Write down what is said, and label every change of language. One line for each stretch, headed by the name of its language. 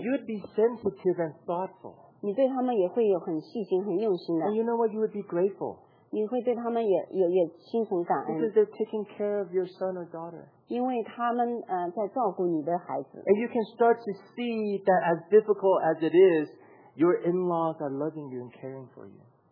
English: You'd be sensitive and thoughtful.
Chinese: 你对他们也会有很细心很用心的。
English: And you know what? You would be grateful.
Chinese: 你会对他们也心存感恩。
English: Because they're taking care of your son or daughter.
Chinese: 因为他们在照顾你的孩子。
English: And you can start to see that as difficult as it is, your in-laws are loving you and caring for you.